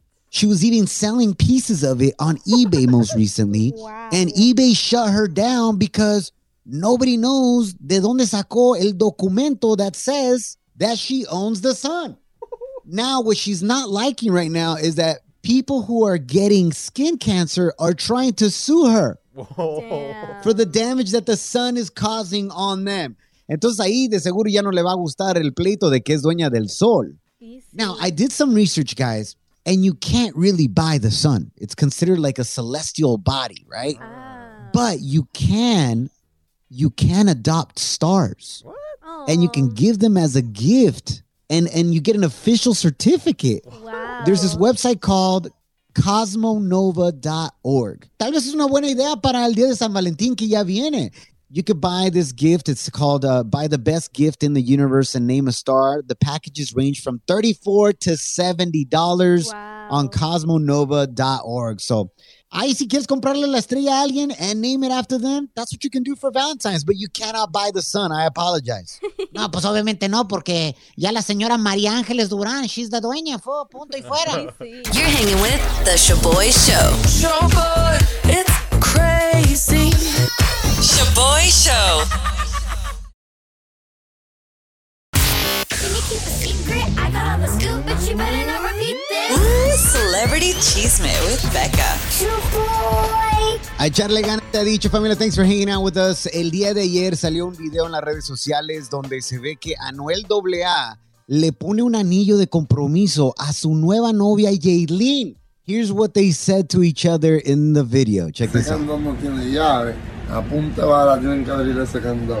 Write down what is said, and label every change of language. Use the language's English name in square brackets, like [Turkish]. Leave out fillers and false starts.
[English] She was even selling pieces of it on eBay most recently, and eBay shut her down because nobody knows [Spanish] de dónde sacó el documento [English] that says that she owns the sun. Now, what she's not liking right now is that people who are getting skin cancer are trying to sue her for the damage that the sun is causing on them. [Spanish] Entonces, ahí de seguro ya no le va a gustar el pleito de que es dueña del sol. [English] Now, I did some research, guys, and you can't really buy the sun. It's considered like a celestial body, right? Ah. But you can adopt stars. What? And you can give them as a gift, and you get an official certificate. Wow. There's this website called cosmonova.org. [Spanish] Tal vez es una buena idea para el día de San Valentín que ya viene. [English] You could buy this gift. It's called Buy the Best Gift in the Universe and Name a Star. The packages range from $34 to $70 on cosmonova.org. So, [Spanish] ahí si quieres comprarle la estrella a alguien [English] and name it after them, that's what you can do for Valentine's. But you cannot buy the sun. I apologize. [Spanish] No, pues obviamente no, porque ya la señora María Ángeles Durán, [English] she's the [Spanish] dueña. Fue, punto y fuera. [English] You're hanging with The Sha'Boy Show. Sha'Boy, it's crazy. Sha'Boy Show. Celebrity Chisme with Becca. [Spanish] Sha'Boy. Echarle ganas, te ha dicho, familia. [English] Thanks for hanging out with us. [Spanish] El día de ayer salió un video en las redes sociales donde se ve que Anuel AA le pone un anillo de compromiso a su nueva novia, Yailin. [English] Here's what they said to each other in the video. Check this out. [Spanish] Ese candado no tiene llave. A punta bala tienen que abrir ese candado.